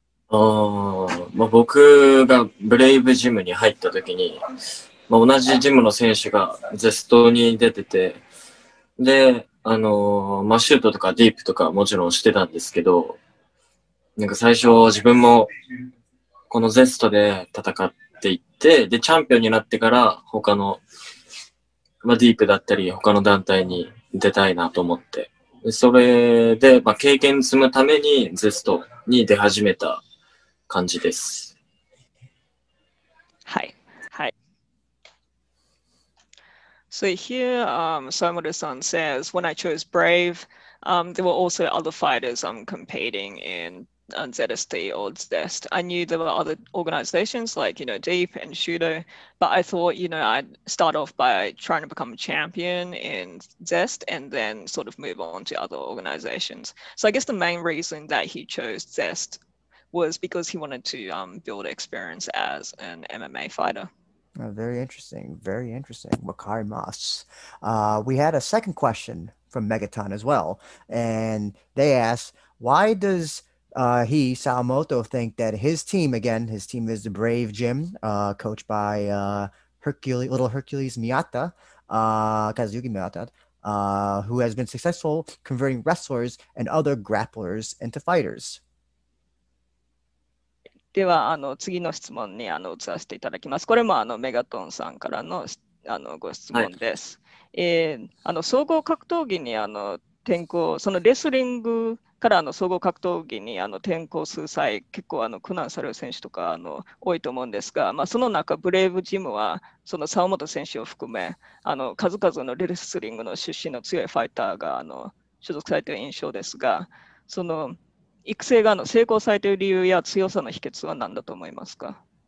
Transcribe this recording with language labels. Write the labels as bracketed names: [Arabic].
[Japanese] まあ、僕がブレイブジムに入った時に、まあ、同じジムの選手がZestに出てて、で、まあ、シュートとかディープとかもちろんしてたんですけど、なんか最初自分もこのZestで戦っていって、で、チャンピオンになってから他の、まあ、ディープだったり他の団体に出たいなと思って、でそれで、まあ、経験積むためにZestに出始めた感じです。はい。 [English] So here, Samura-san says, when I chose Brave, there were also other fighters competing in ZSD or ZEST. I knew there were other organizations like, you know, Deep and Shooto, but I thought, you know, I'd start off by trying to become a champion in ZEST and then sort of move on to other organizations. So I guess the main reason that he chose ZEST was because he wanted to build experience as an MMA fighter. Very interesting. Very interesting. [Japanese] Wakari Mas. [English] We had a second question from Megaton as well. And they asked, why does he, Sawamoto, think that his team, again, his team is the Brave Gym, coached by Little Hercules Miyata, Kazuki Miyata, who has been successful converting wrestlers and other grapplers into fighters? [Japanese] では次の質問に移らせていただきます。これもメガトンさんからのご質問です。はい、総合格闘技に転向、そのレスリングから総合格闘技に転向する際、結構苦難される選手とか多いと思うんですが、まあ、その中、ブレイブジムは、その沢本選手を含め、数々のレスリングの出身の強いファイターが所属されている印象ですが、その育成が成功されている理由や強さの秘訣は何だと思いますか？